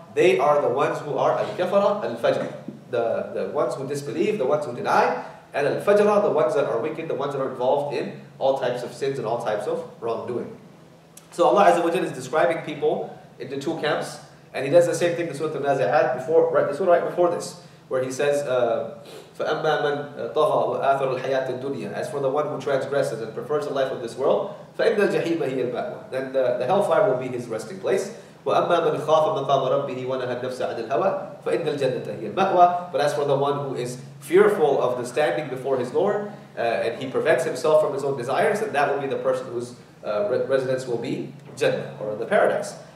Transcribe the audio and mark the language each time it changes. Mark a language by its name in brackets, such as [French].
[English] They are the ones who are [Arabic] الْكَفَرَةُ الْفَجْرَةُ. [English] The ones who disbelieve, the ones who deny. And الْفَجْرَةُ, the ones that are wicked, the ones that are involved in all types of sins and all types of wrongdoing. So Allah Azza wa Jalla is describing people into two camps. And He does the same thing in Surah An-Nazi'at before, right? The Surah right before this. where he says, [Arabic] فَأَمَّا مَنْ طَغَى وَآثَرُ الْحَيَاةِ الدُّنْيَا. [English] As for the one who transgresses and prefers the life of this world, [Arabic] فَإِنَّ الْجَحِيمَ هِيَ الْبَأْوَى. [English] Then the hellfire will be his resting place. [Arabic] وَأَمَّا مَنْ خَافَ مَقَامَ رَبِّهِ وَنَهَى النَّفْسَ عَنِ الْهَوَى فَإِنَّ الْجَنَّةَ هِيَ الْمَأْوَى. [English] But as for the one who is fearful of the standing before his Lord, and he prevents himself from his own desires, then that will be the person whose residence will be Jannah, or the paradise.